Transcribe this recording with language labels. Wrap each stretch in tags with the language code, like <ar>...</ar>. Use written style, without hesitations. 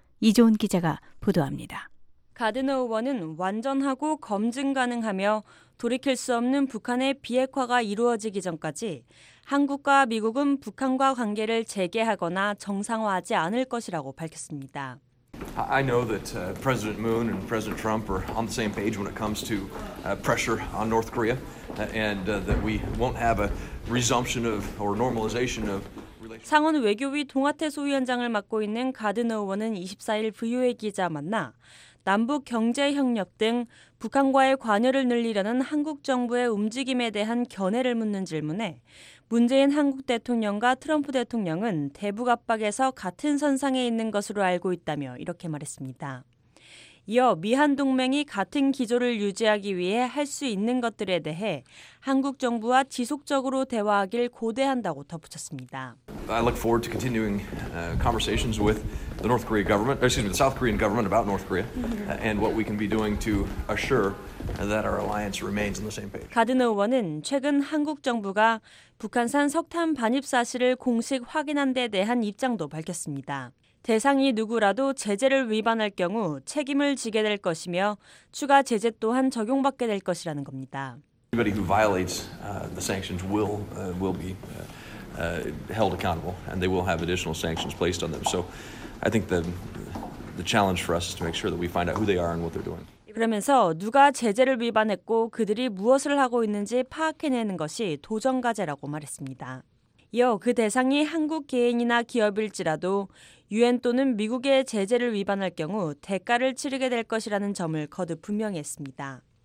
<ko>이조은 기자가 보도합니다. 가드너 의원은 완전하고 검증 가능하며 돌이킬 수 없는 북한의 비핵화가 이루어지기 전까지 한국과 미국은 북한과 관계를 재개하거나 정상화하지 않을 것이라고 밝혔습니다.</ko> <en>I know that President Moon and President Trump are on the same page when it comes to pressure on North Korea and that we won't have a resumption of or normalization of</en> <ko>상원 외교위 동아태 소위원장을 맡고 있는 가드너 의원은 24일 VOA 기자 만나 남북 경제 협력 등 북한과의 관여를 늘리려는 한국 정부의 움직임에 대한 견해를 묻는 질문에 문재인 한국 대통령과 트럼프 대통령은 대북 압박에서 같은 선상에 있는 것으로 알고 있다며 이렇게 말했습니다. 이어 미한 동맹이 같은 기조를 유지하기 위해 할 수 있는 것들에 대해 한국 정부와 지속적으로 대화하길 고대한다고 덧붙였습니다.</ko> <en>I look forward to continuing conversations with the North Korea government, excuse me, the South Korean government about North Korea and what we can be doing to assure that our alliance remains on the same page.</en> <ko>가드너 의원은 최근 한국 정부가 북한산 석탄 반입 사실을 공식 확인한 데 대한 입장도 밝혔습니다. 대상이 누구라도 제재를 위반할 경우 책임을 지게 될 것이며 추가 제재 또한 적용받게 될 것이라는 겁니다.</ko> <en>Anybody who violates the sanctions will be held accountable, and they will have additional sanctions placed on them. So I think the challenge for us is to make sure that we find out who they are and what they're doing.</en> <ko>그러면서 누가 제재를 위반했고 그들이 무엇을 하고 있는지 파악해내는 것이 도전 과제라고 말했습니다. 이어 그 대상이 한국 개인이나 기업일지라도 유엔 또는 미국의 제재를 위반할 경우 대가를 치르게 될 것이라는 점을 거듭 분명히 했습니다.</ko>